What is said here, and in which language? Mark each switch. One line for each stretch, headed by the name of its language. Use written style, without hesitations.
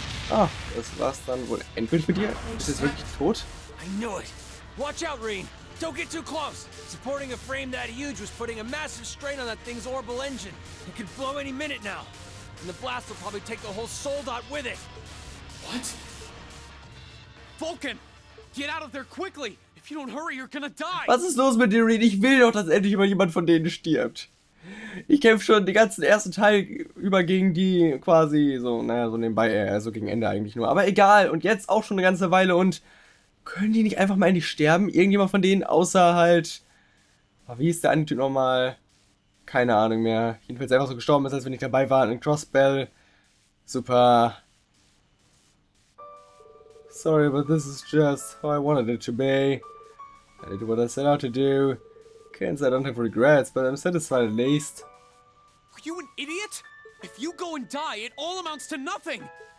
German: Oh, das war's dann wohl endgültig mit dir? Ist es wirklich tot?
English: I knew it! Watch out, Reem! Don't get too close! Supporting a frame that huge was putting a massive strain on that thing's orbital engine. It could blow any minute now. And the blast will probably take the whole Soul Dot with it. What? Vulcan! Get out of there quickly! If you don't hurry, you're gonna die!
German: Was ist los mit dir, Reed? Ich will doch, dass endlich mal jemand von denen stirbt. Ich kämpfe schon den ganzen ersten Teil über gegen die quasi so, naja, so nebenbei, so gegen Ende eigentlich nur. Aber egal, und jetzt auch schon eine ganze Weile und... Können die nicht einfach mal endlich sterben? Irgendjemand von denen, außer halt... Wie ist der eine Typ nochmal? Keine Ahnung mehr. Jedenfalls einfach so gestorben ist, als wenn ich dabei war. Ein Crossbell. Super.
English: Sorry, but this is just how I wanted it to be. I did what I set out to do. Can't say I don't have regrets, but I'm satisfied at least. Are you an idiot? If you go and die, it all amounts to nothing!